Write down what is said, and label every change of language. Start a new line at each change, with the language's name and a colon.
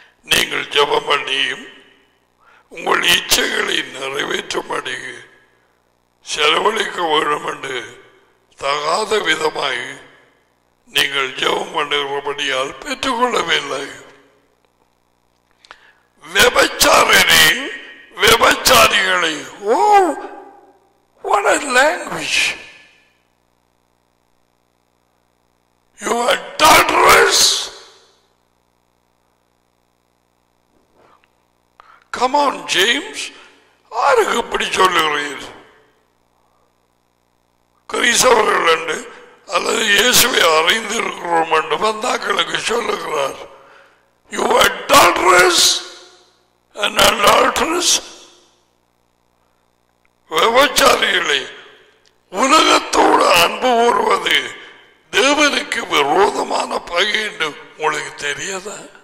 Tamil: நீங்கள் ஜபம் பண்ணியும் உங்கள் இச்சைகளை நிறைவேற்றும்படி செலவழிக்க வேண்டும் என்று தகாத விதமாய் நீங்கள் ஜெபம் பண்ணிருப்படியால் பெற்றுக்கொள்ளவில்லை. விபச்சாரனை, விபச்சாரிகளை,
English: oh what a language, you are adulterers, come on James,
Tamil: ஆருக்கு இப்படி சொல்லுகிறீர்? கிறிஸ்தவர்கள் உண்டு அல்லது இயேசுவை அறிந்திருக்கிறோம் என்று பந்தாக்களுக்கு சொல்லுகிறார்.
English: You are adulterers and adulterers,
Tamil: விபச்சாரிகளை, உலகத்தோடு அன்பு ஊறுவது தேவனுக்கு விரோதமான பகை என்று உங்களுக்கு தெரியாதா?